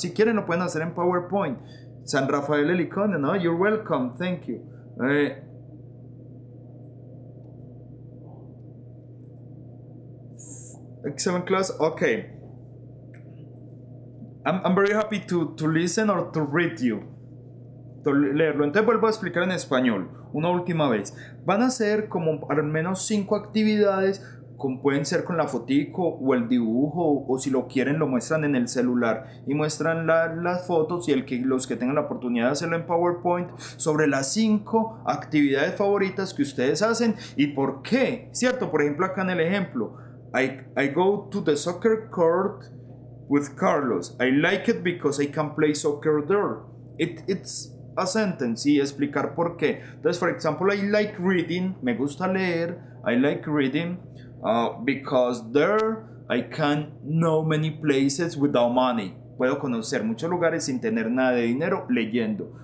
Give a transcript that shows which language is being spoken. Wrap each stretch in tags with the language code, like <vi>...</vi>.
<es>Si quieren, lo pueden hacer en PowerPoint. San Rafael Elicone, no?</es> <en>You're welcome. Thank you. Excellent class. Okay. I'm very happy to listen or to read you. To</en> <es>leerlo. Entonces vuelvo a explicar en español una última vez. Van a ser como al menos 5 actividades, como pueden ser con la fotico o el dibujo, o si lo quieren lo muestran en el celular y muestran las fotos, y los que tengan la oportunidad de hacerlo en PowerPoint, sobre las 5 actividades favoritas que ustedes hacen y por qué, ¿cierto? Por ejemplo, acá en el ejemplo,</es> <en>I go to the soccer court with Carlos. I like it because I can play soccer there. It's a sentence,</en> <es>y explicar por qué. Entonces,</es> <en>for example, I like reading.</en> <es>Me gusta leer.</es> <en>I like reading because there I can know many places without money.</en> <es>Puedo conocer muchos lugares sin tener nada de dinero leyendo.</es>